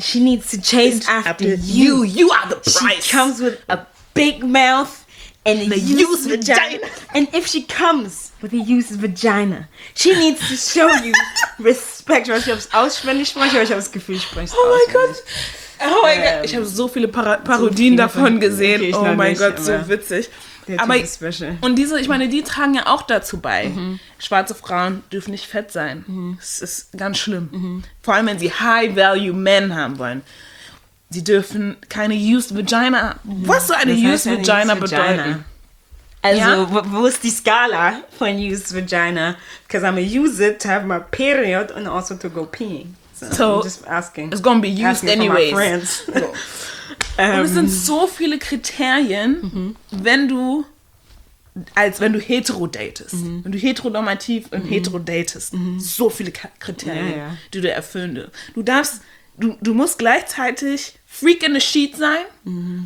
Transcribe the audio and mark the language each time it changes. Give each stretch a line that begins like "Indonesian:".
English: She needs to chase after you. You are the price. She comes with a big mouth and a used vagina. And if she comes with a used vagina, she needs to show you respect.
German: Ich habe es auswendig gemacht. Ich habe das Gefühl, ich spreche es auswendig. Oh mein Gott. Oh mein Gott. Ich habe so viele Parodien davon gesehen. Oh mein Gott, so witzig. Aber ist special. Und diese, ich meine, die tragen ja auch dazu bei. Mhm. Schwarze Frauen dürfen nicht fett sein. Mhm. Das ist ganz schlimm. Mhm. Vor allem, wenn sie High-Value-Men haben wollen. Sie dürfen keine Used Vagina. Mhm. Was soll eine Used Vagina bedeuten? Also, ja? Wo ist die Skala von Used Vagina?
English: Because I'm going to use it to have my period and also to go peeing. So I'm just asking. It's going to be used anyways. For my friends.
German: Und es sind so viele Kriterien, mhm. wenn du hetero datest. Mhm. Wenn du heteronormativ und mhm. hetero datest. Mhm. So viele Kriterien, ja, ja. die du erfüllen darfst. Du musst gleichzeitig
English: Freak in the Sheet
German: sein, mhm.